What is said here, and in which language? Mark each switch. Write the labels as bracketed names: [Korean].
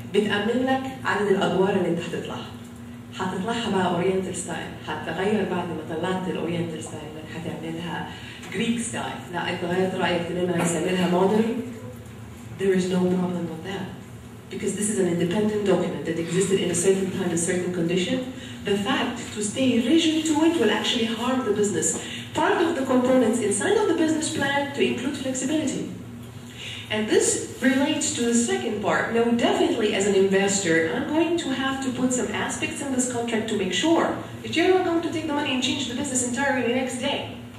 [Arabic] بتأمن لك عدد الأدوار اللي انت هتطلعها. هتطلعها بقى Oriental style. هتتغير بعد ما طلعت Oriental style. هتعملها Greek style. لا اتغيرت رأيك لما هتعملها Modern. [English] There is no problem with that. Because this is an independent document that existed in a certain time, a certain condition. The fact to stay rigid to it will actually harm the business. Part of the components inside of the business plan to include flexibility. And this relates to the second part. Now, definitely as an investor, I'm going to have to put some aspects in this contract to make sure that you're not going to take the money and change the business entirely the next day.